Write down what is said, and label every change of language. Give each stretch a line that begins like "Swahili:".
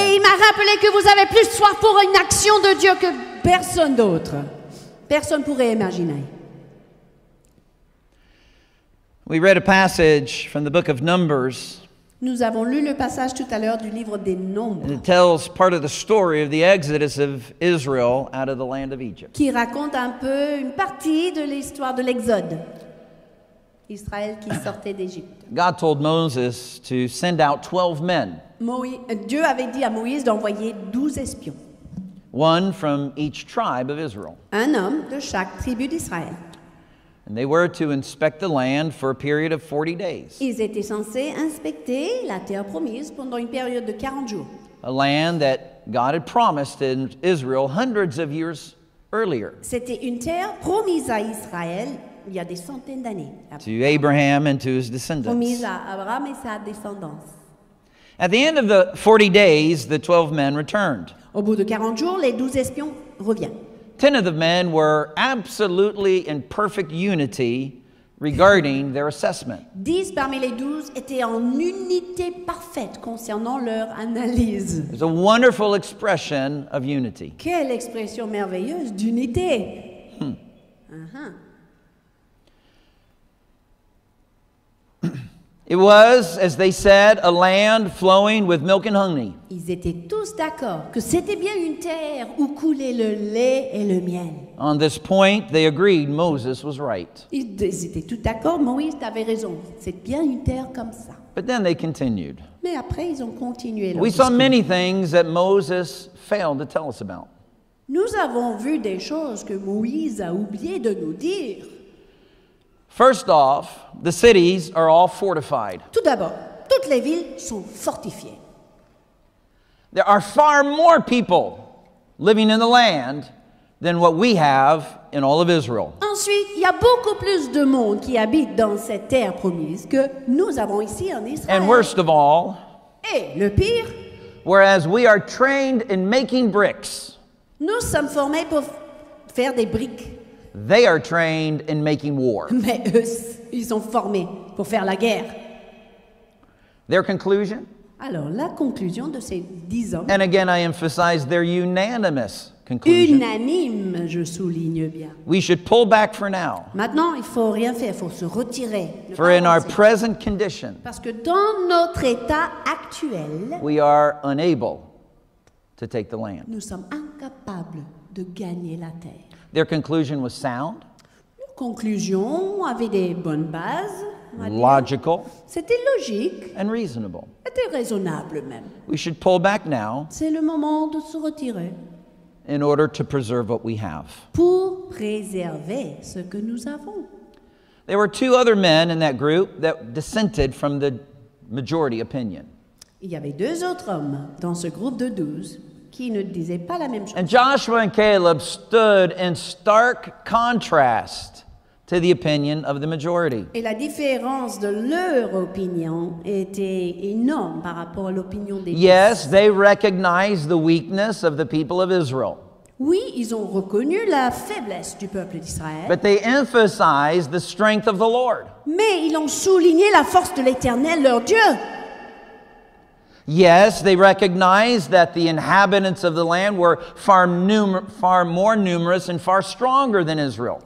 French: Et il m'a rappelé que vous avez plus soif pour une action de Dieu que personne d'autre. Personne pourrait imaginer.
English: We read a passage from the book of Numbers.
French: Nous avons lu le passage tout à l'heure du livre des Nombres.
English: It tells part of the story of the exodus of Israel out of the land of Egypt.
French: Qui raconte un peu une partie de l'histoire de l'exode. Israël qui sortait d'Égypte.
English: God told Moses to send out 12 men.
French: Dieu avait dit à Moïse d'envoyer 12 espions.
English: One from each tribe of Israel.
French: Un homme de chaque tribu d'Israël.
English: And they were to inspect the land for a period of 40 days.
French: Ils étaient censés inspecter la terre promise pendant une période de 40 jours.
English: A land that God had promised in Israel hundreds of years earlier.
French: C'était une terre promise à Israël il y a des centaines d'années.
English: To Abraham and to his descendants.
French: Promise à Abraham et sa descendance.
English: At the end of the 40 days, the 12 men returned.
French: Au bout de 40 jours, les 12 espions reviennent.
English: 10 of the men were absolutely in perfect unity regarding their assessment.
French: 10 parmi les 12 étaient en unité parfaite concernant leur analyse.
English: It's a wonderful expression of unity.
French: Quelle expression merveilleuse d'unité.
English: It was, as they said, a land flowing with milk and honey.
French: Ils étaient tous d'accord que c'était bien une terre où coulait le lait et le miel.
English: On this point, they agreed Moses was right.
French: Ils étaient tous d'accord, Moïse avait raison. C'est bien une terre comme ça.
English: But then they continued.
French: Mais après, ils ont continué.
English: We saw many things that Moses failed to tell us about.
French: Nous avons vu des choses que Moïse a oublié de nous dire.
English: First off, the cities are all fortified.
French: Tout d'abord, toutes les villes sont fortifiées.
English: There are far more people living in the land than what we have in all of Israel.
French: Ensuite, il y a beaucoup plus de monde qui habite dans cette terre promise que nous avons ici en Israël.
English: And worst of all,
French: et le pire,
English: whereas we are trained in making bricks,
French: nous sommes formés pour faire des briques.
English: They are trained in making war.
French: Mais eux, ils sont formés pour faire la guerre.
English: Their conclusion?
French: Alors, la conclusion de ces 10 hommes.
English: And again, I emphasize their unanimous conclusion.
French: Unanime, je souligne bien.
English: We should pull back for now.
French: Maintenant, il faut rien faire, il faut se retirer.
English: For in our present condition.
French: Parce que dans notre état actuel.
English: We are unable to take the land.
French: Nous sommes incapables de gagner la terre.
English: Their conclusion was sound.
French: Leur conclusion avait des bonnes bases.
English: Logical.
French: C'était logique.
English: And reasonable.
French: C'était raisonnable même.
English: We should pull back now.
French: C'est le moment de se retirer.
English: In order to preserve what we have.
French: Pour préserver ce que nous avons.
English: There were two other men in that group that dissented from the majority opinion.
French: Il y avait deux autres hommes dans ce groupe de 12. Qui ne disait pas la même chose.
English: And Joshua and Caleb stood in stark contrast to the opinion of the majority.
French: Et la différence de leur opinion était énorme par rapport à l'opinion des.
English: Yes, they recognized the weakness of the people of Israel.
French: Oui, ils ont reconnu la faiblesse du peuple d'Israël.
English: But they emphasized the strength of the Lord.
French: Mais ils ont souligné la force de l'Éternel, leur Dieu.
English: Yes, they recognized that the inhabitants of the land were far more numerous and far stronger than Israel.